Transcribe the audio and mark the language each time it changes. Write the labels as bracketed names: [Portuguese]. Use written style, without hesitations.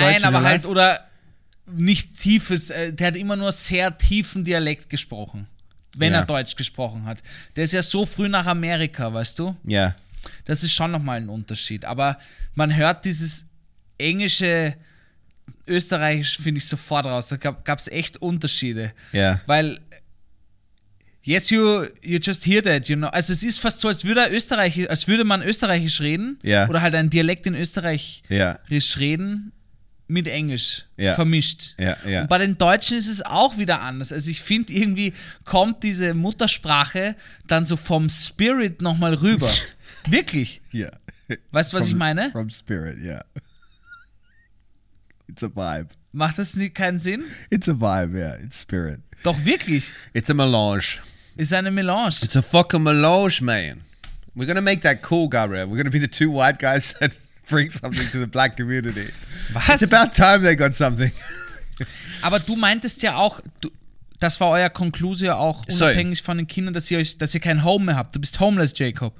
[German] Nein, aber halt, oder nicht tiefes, der hat immer nur sehr tiefen Dialekt gesprochen, wenn er Deutsch gesprochen hat. Der ist ja so früh nach Amerika, weißt du? Ja. Das ist schon nochmal ein Unterschied, aber man hört dieses englische, österreichische, finde ich, sofort raus. Da gab es echt Unterschiede. Ja. Yeah. [English] Weil, yes, you just hear that, you know. [German] Also es ist fast so, als würde man österreichisch reden. Ja. Yeah. Oder halt ein Dialekt in österreichisch reden mit Englisch vermischt. Ja, ja. Und bei den Deutschen ist es auch wieder anders. Also ich finde, irgendwie kommt diese Muttersprache dann so vom Spirit nochmal rüber. Wirklich? Ja. Yeah. Weißt du, was ich meine? [English] From spirit, yeah. It's a vibe. [German] Macht das keinen Sinn? [English] It's a vibe, yeah. It's spirit. [German] Doch, wirklich? [English] It's a melange. [German] Ist eine Melange. [English] It's a fucking melange, man. We're gonna make that cool, Gabriel. We're gonna be the two white guys that bring something to the black community. [German] Was? [English] It's about time they got something. [German] Aber du meintest ja auch, das war euer Conclusio auch unabhängig von den Kindern, dass ihr kein Home mehr habt. Du bist homeless, Jacob.